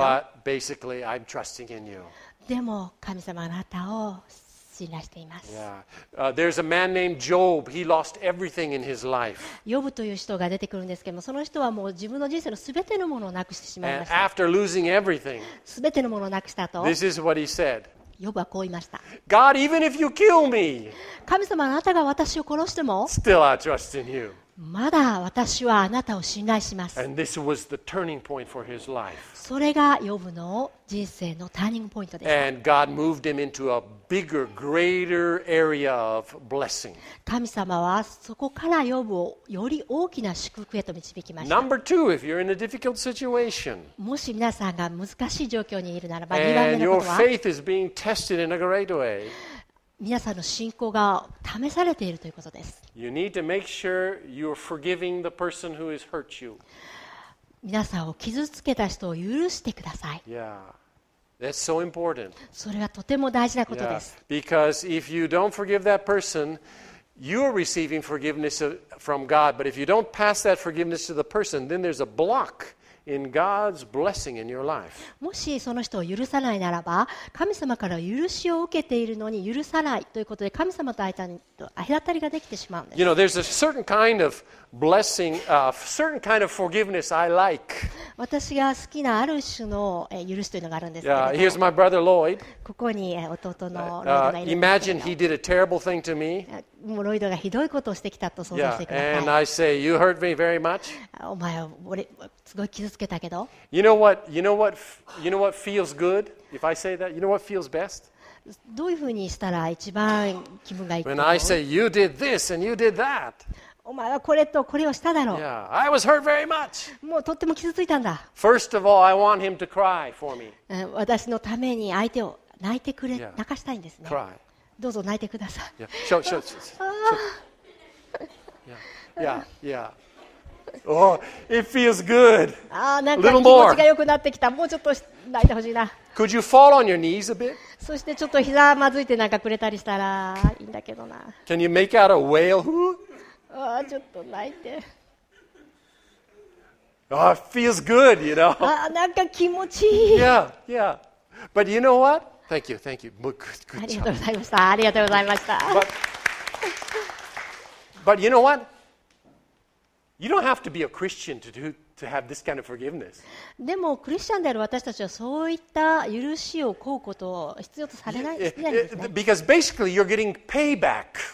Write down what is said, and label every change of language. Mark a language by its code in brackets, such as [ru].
[en] But basically, I'm trusting in you. [ja] でも神様、あなたを信頼しています。 [en] Yeah. There's a man named Job. He lost everything in his life. [ja] ヨブという人が出てくるんですけども、その人はもう自分の人生のすべてのものをなくしてしまいました。 [en] And after losing everything, [ja] すべてのものをなくした後、 [en] This is what he said. [ja] ヨブはこう言いました。 [en] God, even if you kill me, [ja] 神様、あなたが私を殺しても、 [en] Still I trust in you. [ja] まだ私はあなたを信頼します。 [en] And this was the turning point for his life. [ja] それがヨブの人生のターニングポイントでした。 [en] And God moved him into a bigger, greater area of blessing. [ja] 神様はそこからヨブをより大きな祝福へと導きました。 [en] Number two, if you're in a difficult situation, [ja] もし皆さんが難しい状況にいるならば、 2番目のことは、 [en] And your faith is being tested in a great way. [ja] 皆さんの信仰が試されているということです。 [en] You need to make sure you're forgiving the person who has hurt you. [ja] 皆さんを傷つけた人を許してください。 [en] Yeah. That's so important. [ja] それはとても大事なことです。 [en] Yeah. Because if you don't forgive that person, you're receiving forgiveness from God. But if you don't pass that forgiveness to the person, then there's a block. In God's blessing in your life. [ja] もしその人を許さないならば、神様から許しを受けているのに許さないということで、神様と間に隔たりができてしまうんです。 [en] You know, there's a certain kind of blessing, certain kind of forgiveness I like. [ja] 私が好きなある種の許しというのがあるんですけど。 [en] Yeah, here's my brother Lloyd. [ja] ここに弟のロイドがいるんですけど。 [en] Imagine he did a terrible thing to me. [ja] もうロイドがひどいことをしてきたと想像してください。 [en] Yeah, and I say you hurt me very much. [ja] お前は俺すごい傷つけたけど。 [en] You know what feels good? If I say that, you know what feels best? [ja] どういうふうにしたら一番気分がいいの [en] ？When I say you did this and you did that. [ja] お前はこれとこれをしただろう。 [en] Yeah, I was hurt very much. [ja] もうとっても傷ついたんだ。 [en] First of all, I want him to cry for me. [ja] 私のために相手を泣いてくれ、yeah. 泣かしたいんですね。 [en] Cry. [ja] どうぞ泣いてください。 [en] Yeah. Show, show, show, show. yeah, yeah. Oh, it feels good. [ja] あ、なんか気持ちが良くなってきた。もうちょっと泣いてほしいな。 [en] Could you fall on your knees a bit? [ja] そしてちょっと膝まずいてなんかくれたりしたらいいんだけどな。 [en] Can you make out a whale who? [ja] ああちょっと泣いて。 [en] Oh, it feels good, you know. [ja] ああなんか気持ちいい。 [en] Yeah, yeah. But you know what? Thank you, thank you. Good, good job. [ja] ありがとうございました。ありがとうございました。 [en] But you know what? You don't have to be a Christian to have this kind of forgiveness. [ja] でもクリスチャンである私たちはそういった許しを乞うことを必要とされないんですね。 [en] Because basically you're getting payback.